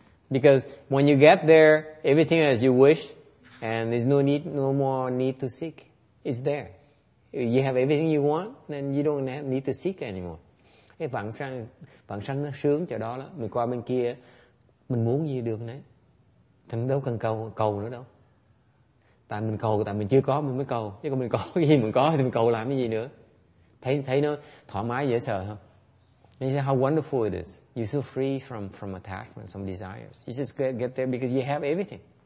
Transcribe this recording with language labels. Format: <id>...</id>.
<en>Because when you get there, everything as you wish, and there's no more need to seek. It's there. If you have everything you want, then you don't need to seek anymore.</en> <vi>Cái vãng sanh nó sướng chỗ đó lắm. Mình qua bên kia, mình muốn gì được đấy. Thành đâu cần cầu nữa đâu. Tại mình cầu, tại mình chưa có mình mới cầu. Chứ còn mình có cái gì mình có thì mình cầu làm cái gì nữa. Thấy nó thoải mái dễ sợ không?</vi> <en>They say, how wonderful it is. You're so free from attachment, some desires. You just get there because you have everything.</en>